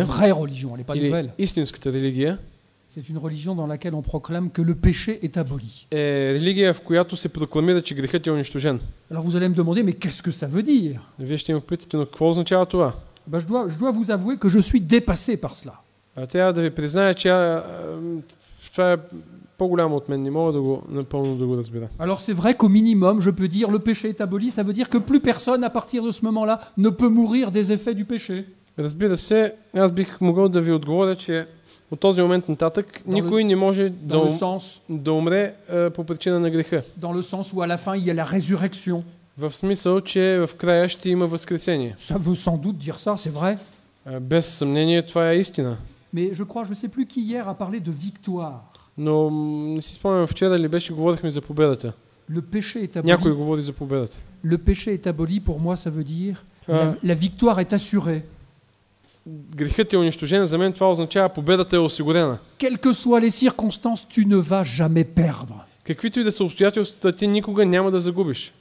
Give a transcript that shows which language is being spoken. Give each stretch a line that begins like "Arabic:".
French: ou la vraie religion, elle est pas nouvelle.
Bulgarian: Истинската религия.
French: C'est une religion dans laquelle on proclame que le péché est aboli.
Bulgarian: Et религия, в която се прокламира, че грехът е унищожен.
French: Alors vous allez me demander, mais qu'est-ce que ça veut dire?
Bulgarian: Вие ще ме питате, но какво означава това?
French: Bah, je dois vous avouer que je suis dépassé par cela.
Bulgarian: Трябва да ви призная, че това е по-голямо от мен, не мога да го напълно да го разбира.
French: Alors c'est vrai qu'au minimum, je peux dire le péché est aboli, ça veut dire que plus personne à partir de ce moment-là ne peut mourir des effets du péché.
Bulgarian: Разбира се, аз бих могъл да ви отговоря, че от този момент нататък
French: dans
Bulgarian: никой
French: le,
Bulgarian: не може да,
French: sens,
Bulgarian: да умре по причина на греха.
French: Dans le sens où à la fin il y a la résurrection.
Bulgarian: В смисъл, че в края ще има възкресение.
French: Ça veut sans doute dire ça, c'est vrai.
Bulgarian: Без съмнение, това е истина.
French: Mais je crois, je sais plus qui hier a parlé de victoire.
Bulgarian: Но не си спомням вчера ли беше говорихме за победата.
French: Le péché est aboli.
Bulgarian: Някой говори за победата.
French: Le péché est aboli, pour moi ça veut dire la victoire est assurée.
Bulgarian: Грехът е унищожен, за мен това означава победата е осигурена.
French: Quelles que soient les circonstances, tu ne vas jamais perdre.
Bulgarian: Каквито и да са обстоятелствата, ти никога няма да загубиш.